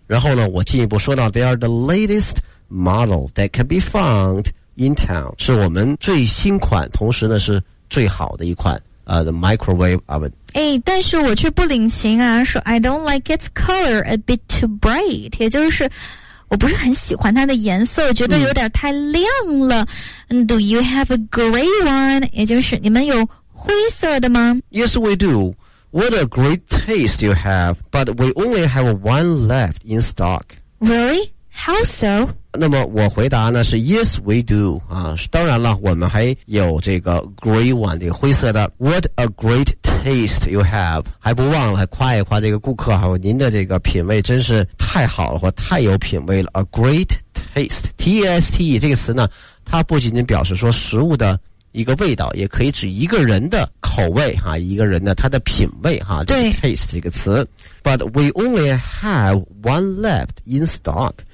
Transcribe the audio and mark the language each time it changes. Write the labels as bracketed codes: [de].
[zh] 然后呢，我进一步说到 [en] they are the latest model that can be found in town， [zh] 是我们最新款，同时呢是最好的一款 [en] the microwave oven。 [zh] 但是我却不领情啊，说 [en] I don't like its color a bit too bright， [zh] 也就是我不是很喜欢它的颜色，觉得有点太亮了。 [en] Do you have a gray one？ [zh] 也就是你们有灰色的吗 [en] ？Yes, we do. What a great taste you have, but we only have one left in stock. Really? How so? [zh] 那么我回答呢是 [en] Yes, we do. [zh] 啊，当然了，我们还有这个 gray one, 这个灰色的。 [en] What a great taste you have. [zh] 还不忘了还夸一夸这个顾客，还有您的这个品味真是太好了，或太有品味了。 [en] A great taste. [zh] T-E-S-T-E 这个词呢，它不仅仅表示说食物的一个味道，也可以指一个人的口味哈，一个人的他的品味哈，这个 taste 这个词。 [en] But we only have one left in stock.